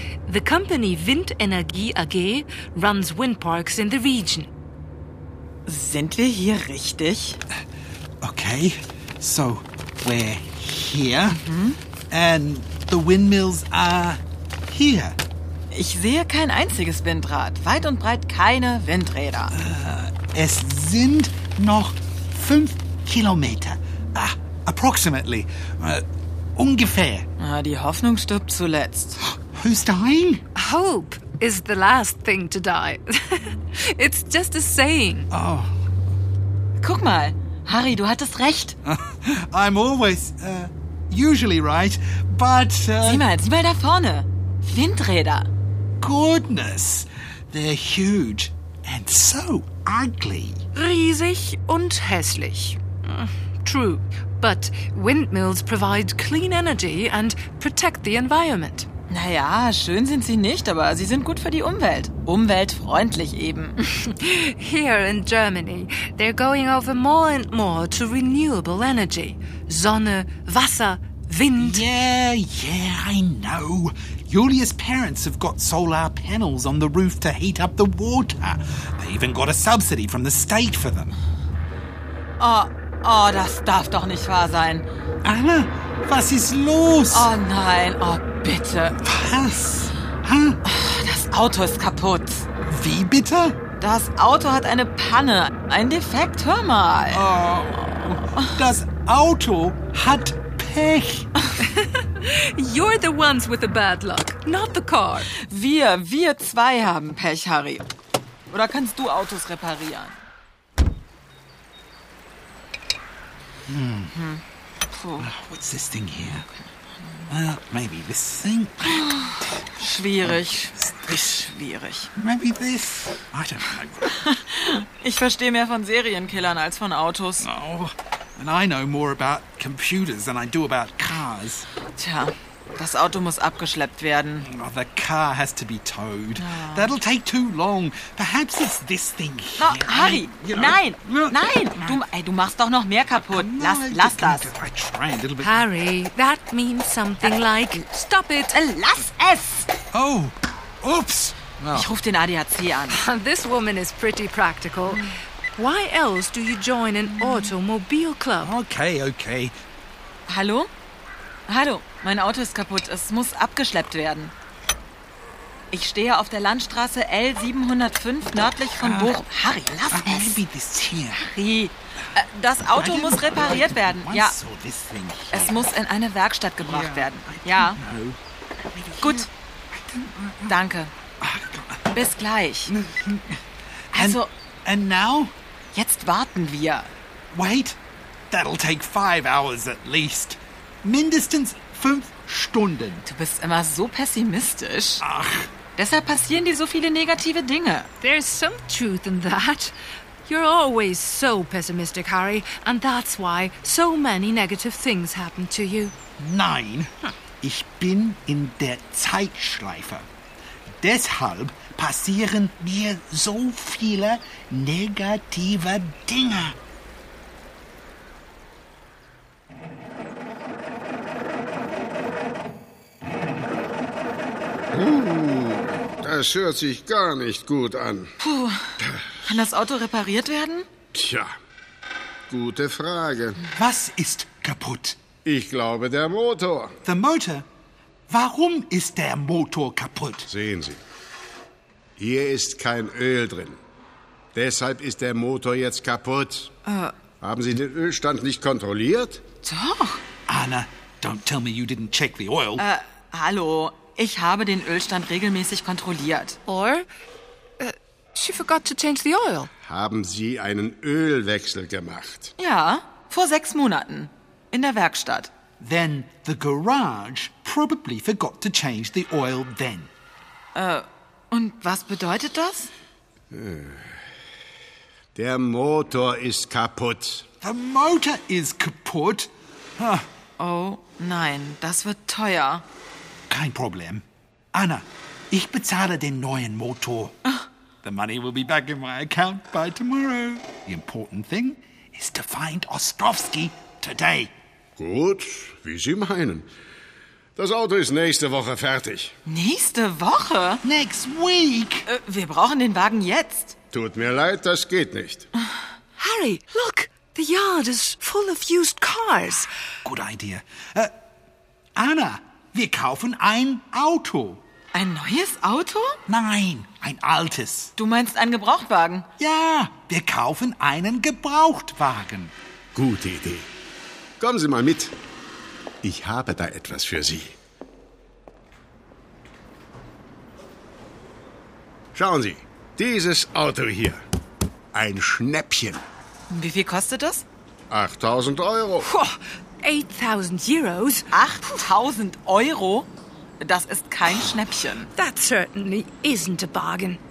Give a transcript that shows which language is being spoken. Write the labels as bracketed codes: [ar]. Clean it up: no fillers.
[en] The company Windenergie AG runs wind parks in the region. [de] Sind wir hier richtig? [en] Okay, so we're here and the windmills are here. [de] Ich sehe kein einziges Windrad, weit und breit keine Windräder. Es sind noch 5 Kilometer. [en] Approximately. [de] Ungefähr. Die Hoffnung stirbt zuletzt. [en] Who's dying? Hope is the last thing to die. It's just a saying. Oh. [de] Guck mal, Harry, du hattest recht. [en] I'm always, usually right, but... [de] Sieh mal da vorne. Windräder. [en] Goodness, they're huge and so ugly. [de] Riesig und hässlich. [en] True, but windmills provide clean energy and protect the environment. [de] Naja, schön sind sie nicht, aber sie sind gut für die Umwelt. Umweltfreundlich eben. [en] Here in Germany, they're going over more and more to renewable energy. [de] Sonne, Wasser, Wind. [en] Yeah, I know. Julia's parents have got solar panels on the roof to heat up the water. They even got a subsidy from the state for them. [de] Oh, das darf doch nicht wahr sein. Anna, was ist los? Oh nein, oh bitte. Was? Das Auto ist kaputt. Wie bitte? Das Auto hat eine Panne, ein Defekt, hör mal. Oh, das Auto hat Pech. [en] You're the ones with the bad luck, not the car. [de] Wir zwei haben Pech, Harry. Oder kannst du Autos reparieren? [en] What's this thing here? Maybe this thing. [de] Schwierig. Schwierig. [en] Maybe this. I don't know. [de] Ich verstehe mehr von Serienkillern als von Autos. [en] Oh, and I know more about computers than I do about cars. [de] Tja, das Auto muss abgeschleppt werden. [en] Oh, the car has to be towed. Oh. That'll take too long. Perhaps it's this thing here. No, Harry, [de] nein! Du machst doch noch mehr kaputt. Lass das. [en] Harry, that means something like... Stop it! [de] Lass es! [en] Oh, oops! [de] Ich ruf den ADAC an. [en] This woman is pretty practical. Why else do you join an automobile club? Okay. [de] Hallo? Hallo, mein Auto ist kaputt. Es muss abgeschleppt werden. Ich stehe auf der Landstraße L705 nördlich von Bochum. Harry, lass es! [en] Maybe this here. [de] Harry, das Auto muss repariert werden. Ja, es muss in eine Werkstatt gebracht werden. Ja. Gut. Danke. Bis gleich. Also... [en] And now? [de] Jetzt warten wir. [en] Wait, that'll take 5 hours at least. [de] Mindestens 5 Stunden. Du bist immer so pessimistisch. Ach. Deshalb passieren dir so viele negative Dinge. [en] There's some truth in that. You're always so pessimistic, Harry. And that's why so many negative things happen to you. [de] Nein. Ich bin in der Zeitschleife. Deshalb passieren mir so viele negative Dinge. Das hört sich gar nicht gut an. Puh, kann das Auto repariert werden? Tja, gute Frage. Was ist kaputt? Ich glaube, der Motor. The motor? Warum ist der Motor kaputt? Sehen Sie, hier ist kein Öl drin. Deshalb ist der Motor jetzt kaputt. Haben Sie den Ölstand nicht kontrolliert? Doch. [en] Anna, don't tell me you didn't check the oil. [de] Hallo. Ich habe den Ölstand regelmäßig kontrolliert. [en] Or, she forgot to change the oil. [de] Haben Sie einen Ölwechsel gemacht? Ja, vor 6 Monaten, in der Werkstatt. [en] Then the garage probably forgot to change the oil then. [de] Und was bedeutet das? Der Motor ist kaputt. [en] The motor is kaputt? [de] Oh nein, das wird teuer. Kein Problem. Anna, ich bezahle den neuen Motor. [en] The money will be back in my account by tomorrow. The important thing is to find Ostrovsky today. [de] Gut, wie Sie meinen. Das Auto ist nächste Woche fertig. Nächste Woche? [en] Next week. [de] Wir brauchen den Wagen jetzt. Tut mir leid, das geht nicht. [en] Harry, look, the yard is full of used cars. Good idea. [de] Anna, wir kaufen ein Auto. Ein neues Auto? Nein, ein altes. Du meinst einen Gebrauchtwagen? Ja, wir kaufen einen Gebrauchtwagen. Gute Idee. Kommen Sie mal mit. Ich habe da etwas für Sie. Schauen Sie, dieses Auto hier. Ein Schnäppchen. Wie viel kostet das? 8.000 Euro. 8.000 Euros? 8.000 Euro? Das ist kein Schnäppchen. [en] That certainly isn't a bargain.